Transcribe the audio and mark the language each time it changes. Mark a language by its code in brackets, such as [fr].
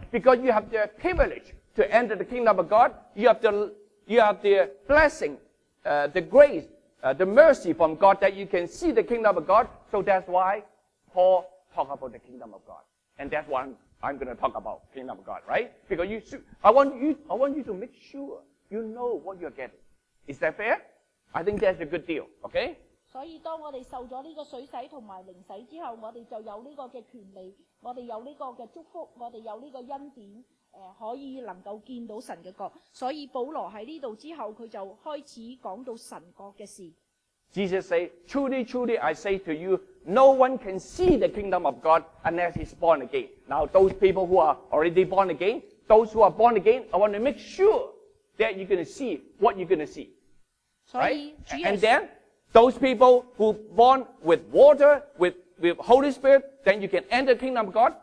[en] Because you have the privilege to enter the kingdom of God, you have the blessing, the grace. The mercy from God that you can see the kingdom of God. So that's why Paul talked about the kingdom of God. And that's why I'm going to talk about kingdom of God, right? Because I want you to make sure you know what you're getting. Is that fair? I think that's a good deal, okay? [zh] 所以当我们受了这个水洗和灵洗之后，我们就有这个权利，我们有这个祝福，我们有这个恩典。可以能够见到神的国，所以保罗在这里之后他就开始讲到神国的事。 [en] Jesus said, truly, truly, I say to you, no one can see the kingdom of God unless he's born again. Now, those people who are already born again, those who are born again, I want to make sure that you're going to see what you're going to see. [zh] 所以 [en] right? And then, those people who born with water, with Holy Spirit, then you can enter the kingdom of God.